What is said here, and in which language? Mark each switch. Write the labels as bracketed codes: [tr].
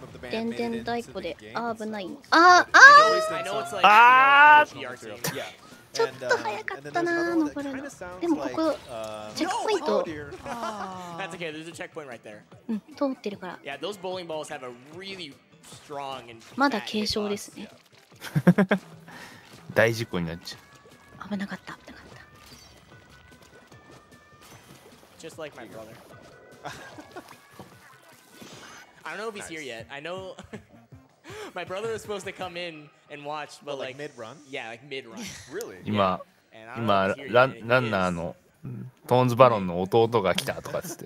[ja] 電電太鼓で、あー危ない。あーあーああーちょっと早かったなー登るの。でもここチェックポイント。 [en] That's okay. There's a checkpoint right there. Yeah, those bowling balls have a really strong and. [ja] まだ軽傷ですね。大事故になっちゃう。危なかった、危なかった。 [en] Just like my brother. I don't know if he's here yet. I know my brother was supposed to come in and watch, but like mid run. Yeah, like mid run. Really. [ja] 今ランナーの。トーンズバロンの弟が来たとかつって